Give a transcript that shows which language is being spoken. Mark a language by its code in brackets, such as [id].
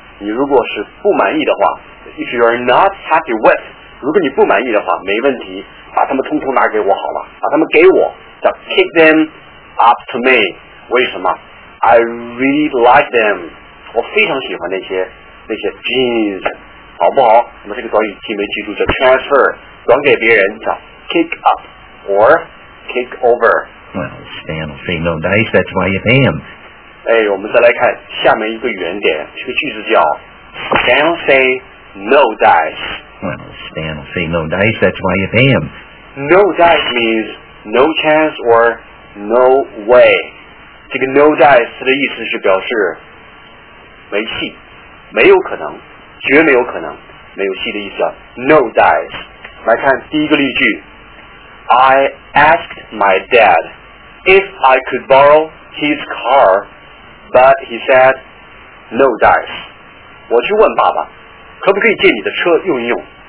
[zh] 这句话的意思是那些牛仔服啊，你如果是不满意的话， [en] if you are not happy with， [zh] 如果你不满意的话，没问题，把他们通通拿给我好了，把他们给我，叫 [en] kick them up to me。 [zh] 为什么？ [en] I really like them， [zh] 我非常喜欢那些 jeans， 好不好？那么这个短语记没记住，叫 transfer， 转给别人，叫 kick up or kick over。 [en] Well, Stan will say no dice, that's why you pay him。 [zh] 哎,我们再来看下面一个原点,这个句子叫 [en] Stan will say no dice. Well, Stan will say no dice, that's why you pay him. No dice means no chance or no way. [zh] 这个no dice的意思是表示没戏,没有可能,绝没有可能,没有戏的意思叫 no dice. 来看第一个例句, [en] I asked my dad if I could borrow his car, but he said, no dice. [zh] 我去问爸爸,可不可以借你的车用一用?